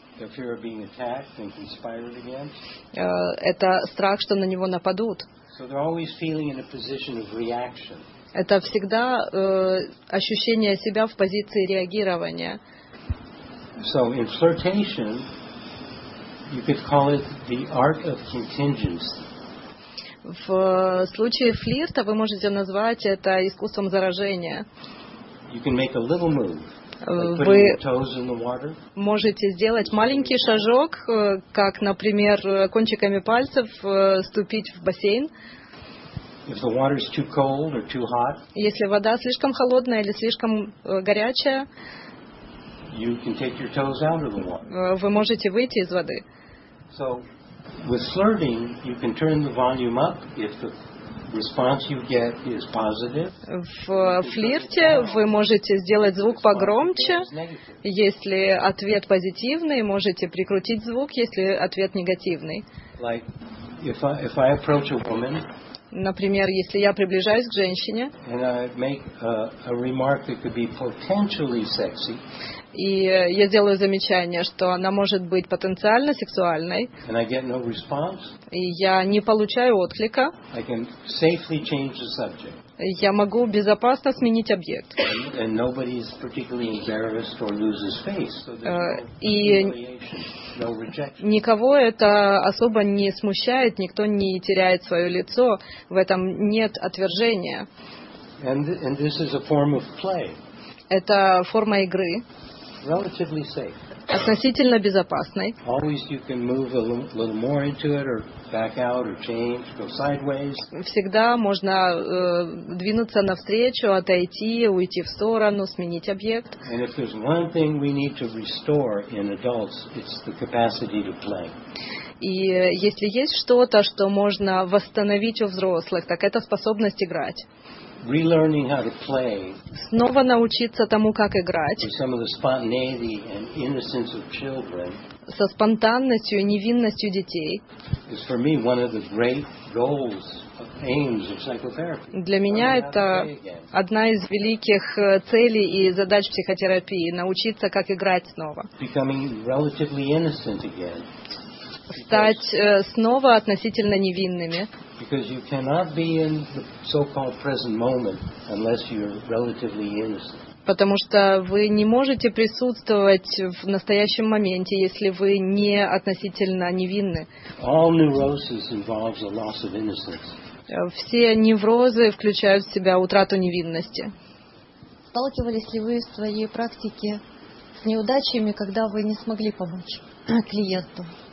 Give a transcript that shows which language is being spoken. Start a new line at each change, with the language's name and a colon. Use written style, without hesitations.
English: The fear of being attacked and conspired against.
Russian: Это страх, что на него нападут.
English: So they're always feeling in a position of reaction.
Russian: Это всегда ощущение себя в позиции реагирования.
English: So in flirtation, you could call it the art of contingency.
Russian: В случае флирта вы можете назвать это искусством заражения.
English: You can make a little move.
Russian: Вы можете сделать маленький шажок, как, например, кончиками пальцев ступить в бассейн.
English: If the water is too cold or too hot,
Russian: если вода слишком холодная или слишком горячая,
English: you can take your toes out of the water.
Russian: Вы можете выйти из воды.
English: So, with flirting, you can turn the volume up if the response you get is positive.
Russian: В флирте вы можете сделать звук погромче, если ответ позитивный, можете прикрутить звук, если ответ негативный.
English: Like If I approach a woman,
Russian: например, если я приближаюсь к женщине,
English: and I make a remark that could be potentially sexy,
Russian: и я делаю замечание, что она может быть потенциально сексуальной,
English: and I get no response,
Russian: и я не получаю отклика,
English: I can safely change the subject.
Russian: Я могу безопасно сменить объект. И никого это особо не смущает, никто не теряет свое лицо, в этом нет отвержения.
English: And this is a form of play.
Russian: Это форма игры.
English: Relatively safe.
Russian: Относительно безопасной.
English: Always you can move a little more into it, or back out, or change, go sideways.
Russian: Всегда можно двинуться навстречу, отойти, уйти в сторону, сменить объект.
English: And if there's one thing we need to restore in adults, it's the capacity to play.
Russian: И если есть что-то, что можно восстановить у взрослых, так это способность играть.
English: Relearning how to play.
Russian: Снова научиться тому, как играть.
English: With some of the spontaneity and innocence of children.
Russian: Со спонтанностью и невинностью детей.
English: Is for me one of the great goals, aims of psychotherapy.
Russian: Для меня это одна из великих целей и задач психотерапии – научиться, как играть снова.
English: Becoming relatively innocent again.
Russian: Стать снова относительно невинными.
English: Because you cannot be in the so-called present moment unless you're relatively innocent.
Russian: Потому что вы не можете присутствовать в настоящем моменте, если вы не относительно невинны.
English: All neurosis involves a loss of innocence.
Russian: Все неврозы включают в себя утрату невинности. Сталкивались ли вы в своей практике с неудачами, когда вы не смогли помочь клиенту?